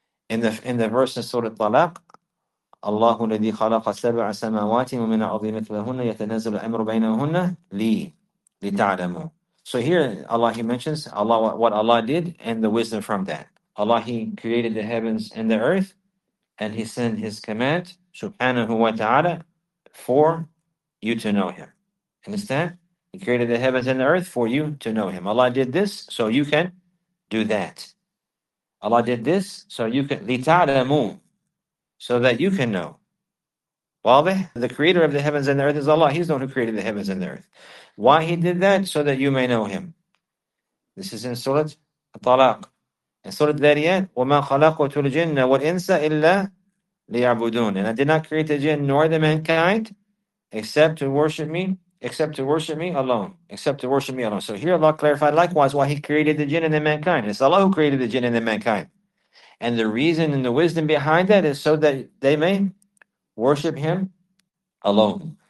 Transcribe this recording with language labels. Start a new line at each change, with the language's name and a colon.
English: In the verse in Surah Talaq,
Arabic: الله الذي خلق سبع سماوات ومن أرض مثلهن يتنزل الأمر بينهن لي لتعلموا.
English: So here Allah, He mentions Allah, what Allah did and the wisdom from that. Allah, He created the heavens and the earth, and He sent His command, subhanahu wa ta'ala, for you to know Him. Understand? He created the heavens and the earth for you to know Him. Allah did this so you can do that. Allah did this so you can لتعلموا. So that you can know. The creator of the heavens and the earth is Allah. He's the one who created the heavens and the earth. Why He did that? So that you may know Him. This is in Surah At-Talaq. In Surah Dariyat,
Arabic: وَمَا خَلَقْتُ الْجِنَّ وَالْإِنسَ إِلَّا لِيَعْبُدُونَ.
English: And I did not create the jinn nor the mankind except to worship me alone. So here Allah clarified likewise why He created the jinn and the mankind. It's Allah who created the jinn and the mankind. And the reason and the wisdom behind that is so that they may worship Him alone.